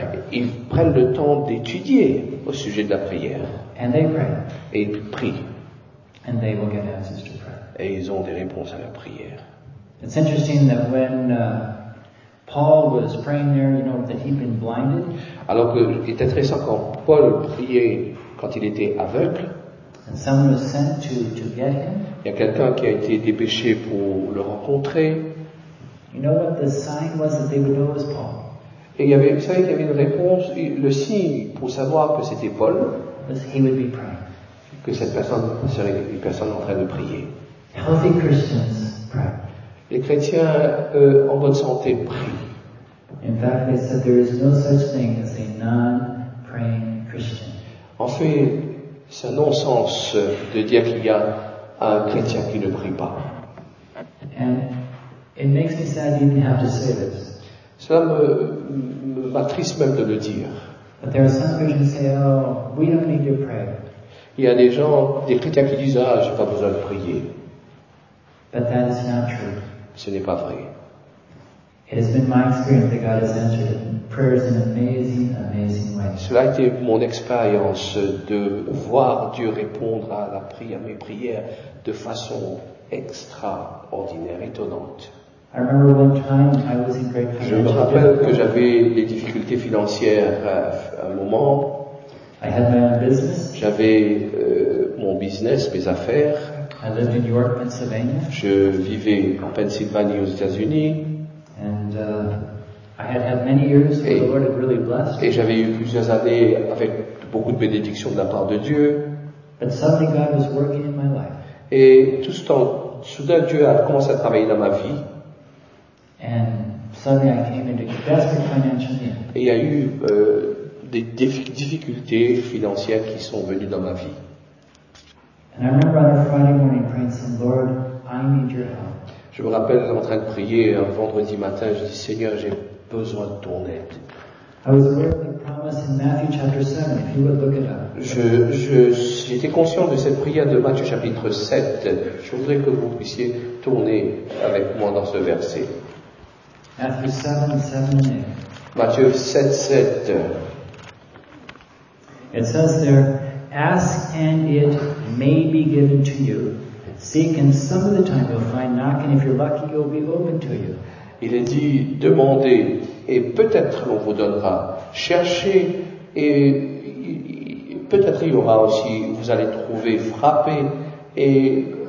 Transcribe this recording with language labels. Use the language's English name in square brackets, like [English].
[French] Ils prennent le temps d'étudier au sujet de la prière. [English] And they pray. [French] Et ils prient. [English] And they will get answers to prayer. [French] Et ils ont des réponses à la prière. [English] It's interesting that when Paul was praying there, you know, that he'd been blinded. [French] Alors que c'est intéressant quand Paul priait quand il était aveugle. [English] And someone was sent to get him. [French] Il y a quelqu'un qui a été dépêché pour le rencontrer. [English] You know what the sign was that they would know it was Paul. [French] Et il y avait, vous savez qu'il y avait une réponse, le signe pour savoir que c'était Paul. [English] Was he would be praying. [French] Que cette personne serait une personne en train de prier. [English] Healthy Christians pray. [French] Les chrétiens en bonne santé prient. [English] In fact, they said there is no such thing as a non-praying Christian. [French] En fait, c'est un non-sens de dire qu'il y a un chrétien qui ne prie pas. [English] And it makes me sad you even have to say this. [French] Cela me m'attriste même de le dire. [English] But there are some Christians who say, oh, we don't need to pray. [French] Il y a des gens, des chrétiens qui disent, ah, j'ai pas besoin de prier. [English] But that is not true. [French] Ce n'est pas vrai. [English] It has been my experience that God has answered prayers in amazing, amazing ways. [French] Cela a été mon expérience de voir Dieu répondre à la prière, mes prières, de façon extraordinaire, étonnante. [English] I remember one time I was in great financial [French] Je me rappelle que j'avais des difficultés financières à un moment. [English] I had my own business. [French] J'avais mon business, mes affaires. [English] I lived in New York, Pennsylvania. [French] Je vivais en Pennsylvanie, aux États-Unis. [English] And I had had many years where the Lord had really blessed. [French] Et j'avais eu plusieurs années avec beaucoup de bénédictions de la part de Dieu. [English] But suddenly God was working in my life. [French] Et tout ce temps, soudain Dieu a commencé à travailler dans ma vie. [English] And suddenly I came into desperate financial need. [French] Et il y a eu des difficultés financières qui sont venues dans ma vie. [English] And I remember on a Friday morning praying, saying, Lord, I need your help. [French] Je me rappelle en train de prier un vendredi matin, je dis, Seigneur, j'ai besoin de ton aide. [English] I was aware of the promise in Matthew chapter 7, if you would look it up. [French] J'étais conscient de cette prière de Matthieu chapitre 7. Je voudrais que vous puissiez tourner avec moi dans ce verset. [English] Matthew 7, 7 and 8. [French] Matthieu 7, 7. [English] It says there, ask and it may be given to you. Seek and some of the time you'll find knock and if you're lucky it will be open to you. [French] Il est dit, demandez et peut-être l'on vous donnera. Cherchez et peut-être il y aura aussi, vous allez trouver, frapper et